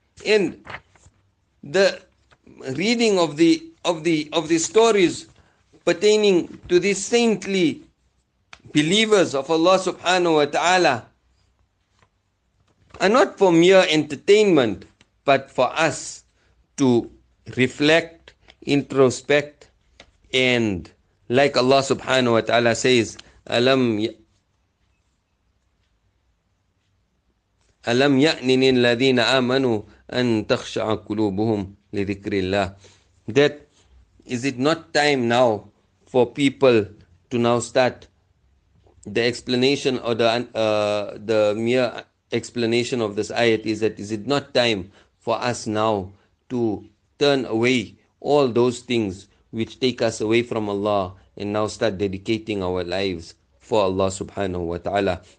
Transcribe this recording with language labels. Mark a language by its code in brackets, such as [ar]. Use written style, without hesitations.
[en] And the reading of the stories pertaining to these saintly believers of Allah subhanahu wa ta'ala are not for mere entertainment, but for us to reflect, introspect, and like Allah subhanahu wa ta'ala says, alam [ar] ألم يأنن الذين آمنوا أن تخشع قلوبهم لذكر الله. [en] That is it not time now for people to now start the explanation or the mere explanation of this ayat is that is it not time for us now to turn away all those things which take us away from Allah and now start dedicating our lives for Allah subhanahu wa ta'ala.